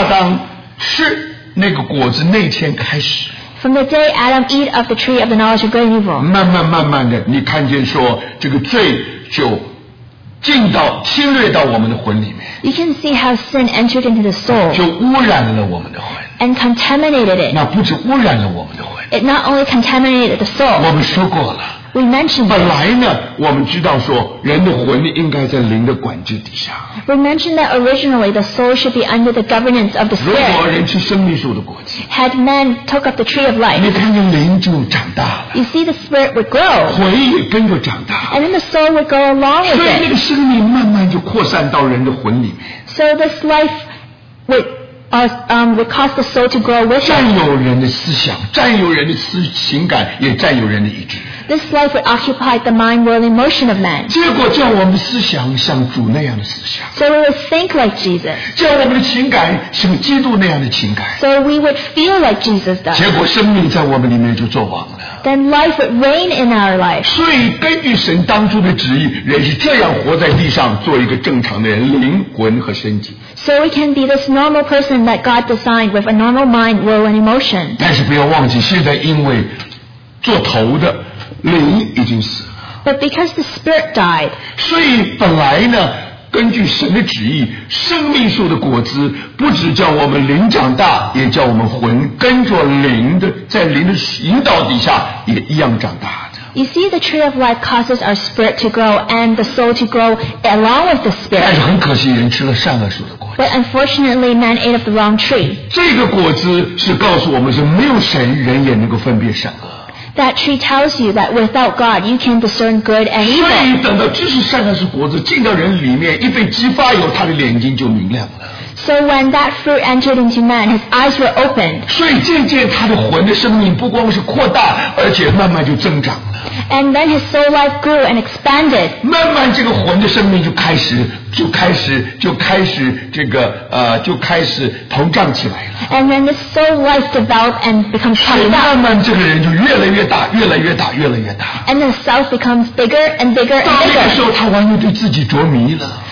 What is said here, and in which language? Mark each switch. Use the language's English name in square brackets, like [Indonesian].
[Chinese] 所以这就给我们看见说，从亚当吃那个果子那天开始。 [English] From the day Adam eat of the tree of the knowledge of good and evil. [Chinese] 慢慢的，你看见说这个罪就。 [English] You can see how sin entered into the soul. [Chinese] 就污染了我们的魂。 [English] And contaminated it. [Chinese] 那不止污染了我们的魂。 [English] It not only contaminated the soul. [Chinese] 我们说过了。 [English] We mentioned it. [Chinese] 本来呢，我们知道说，人的魂应该在灵的管制底下。 [English] We mentioned that originally the soul should be under the governance of the spirit. [Chinese] 如果人吃生命树的果子。 [English] Had man took up the tree of life. [Chinese] 你看见灵就长大了。 [English] You see the spirit would grow. [Chinese] 魂也跟着长大。 [English] And then the soul would go along with it. [Chinese] 所以那个生命慢慢就扩散到人的魂里面。 [English] So this life would would cause the soul to grow wicked. [Chinese] 占有人的思想，占有人的思情感，也占有人的意志。 [English] This life would occupy the mind, will, and motion of men. [Chinese] 结果叫我们的思想像主那样的思想。 [English] So we would think like Jesus. [Chinese] 叫我们的情感像基督那样的情感。 [English] So we would feel like Jesus does. [Chinese] 结果生命在我们里面就作王了。 [English] Then life would reign in our life. [Chinese] 所以根据神当初的旨意，人是这样活在地上，做一个正常的人，灵魂和身体。 [English] So we can be this normal person that God designed with a normal mind, will, and emotion. [Chinese] 但是不要忘记，现在因为做头的灵已经死了。 [English] But because the spirit died. [Chinese] 所以本来呢，根据神的旨意，生命树的果子不只叫我们灵长大，也叫我们魂跟着灵的，在灵的引导底下也一样长大。 [English] You see, the tree of life causes our spirit to grow and the soul to grow along with the spirit. [Chinese] 但是很可惜，人吃了善恶树的果子。 [English] But unfortunately, man ate of the wrong tree. [Chinese] 这个果子是告诉我们，是没有神，人也能够分辨善恶。 [English] That tree tells you that without God, you can discern good and evil. [Chinese] 所以等到知识善恶树果子进到人里面，一被激发以后，他的眼睛就明亮了。 [English] So when that fruit entered into man, his eyes were opened. [Chinese] 所以渐渐他的魂的生命不光是扩大，而且慢慢就增长。 [English] And then his soul life grew and expanded. [Chinese] 慢慢这个魂的生命就开始膨胀起来了。 [English] And then his soul life developed and become puffed [Chinese] up. 慢慢这个人就越来越大，越来越大，越来越大。 [English] And the self becomes bigger and bigger and bigger. [Chinese] 到那个时候，他完全对自己着迷了。